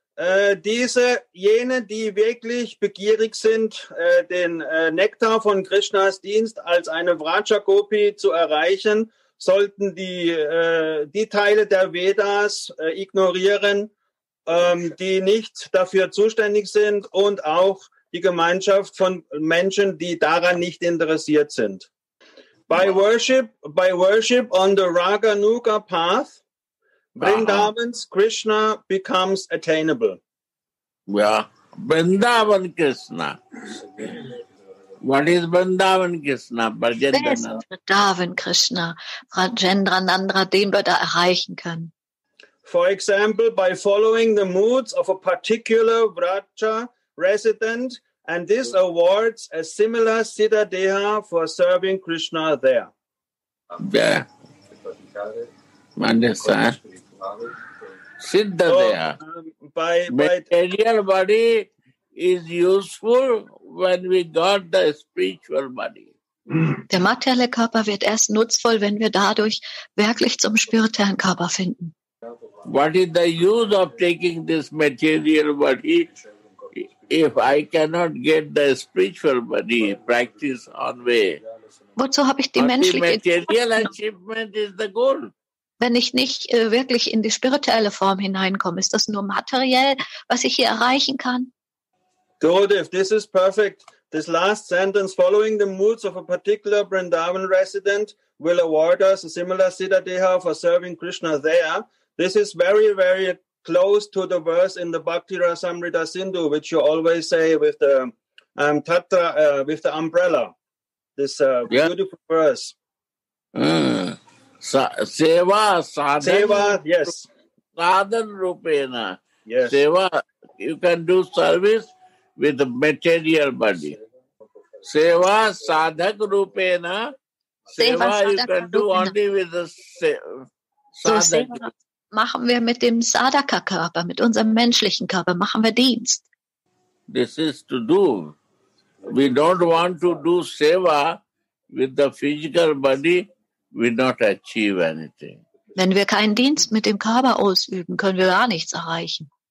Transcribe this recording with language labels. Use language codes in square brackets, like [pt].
[de] Jene, die wirklich begierig sind, den Nektar von Krishnas Dienst als eine Braja Gopi zu erreichen, sollten die Teile der Vedas ignorieren, die nicht dafür zuständig sind, und auch die Gemeinschaft von Menschen, die daran nicht interessiert sind. [en] By worship on the Raganuga path, Vrindavan's Krishna becomes attainable. Yeah, Vrindavan Krishna. What is Vrindavan Krishna? [de] Vrindavan Krishna, Rajendra Nandra, den wir da erreichen können. [en] For example, by following the moods of a particular Vraja resident, and this awards a similar Siddha Deha for serving Krishna there. Yeah. Understand? Siddha Deha. Material body is useful when we got the spiritual body. [de] Der materielle Körper wird erst nutzvoll, wenn wir dadurch wirklich zum spirituellen Körper finden. [en] What is the use of taking this material body if I cannot get the spiritual body practice on way? [de] Wozu habe ich die menschliche [en] Form? Material achievement is the goal. [de] Wenn ich nicht wirklich in die spirituelle Form hineinkomme, ist das nur materiell, was ich hier erreichen kann? [en] Gurudev, this is perfect. This last sentence, following the moods of a particular Vrindavan resident, will award us a similar Siddha Deha for serving Krishna there. This is very, very close to the verse in the Bhakti Rasamrita Sindhu, which you always say with the with the umbrella. This beautiful verse. [sa] Seva sadhan. [en] Seva, yes. [sa] Sadhan rupena. [en] Yes. Seva, you can do service with the material body. Seva sadhak rupena. Seva you can do only with the sadhak. [de] Seva machen wir mit dem Sadhaka-Körper, mit unserem menschlichen Körper, machen wir Dienst. [en] This is to do. We don't want to do seva with the physical body, we not achieve anything. [de] Wenn wir keinen Dienst mit dem Körper ausüben, können wir gar nichts erreichen.